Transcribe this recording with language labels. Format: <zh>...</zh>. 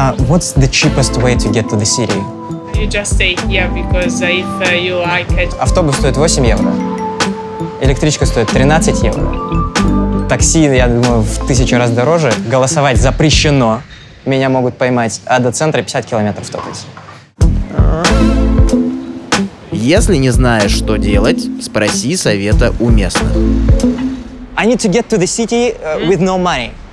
<en>What's the cheapest way to get to the city? You just stay here, because if you like it...</en> <ru>Автобус стоит 8 евро. Электричка стоит 13 евро. Такси, я думаю, в 1000 раз дороже. Голосовать запрещено. Меня могут поймать. А до центра 50 километров топать. Если не знаешь, что делать, спроси совета у местных.</ru> <en>I need to get to the city with no money.</en>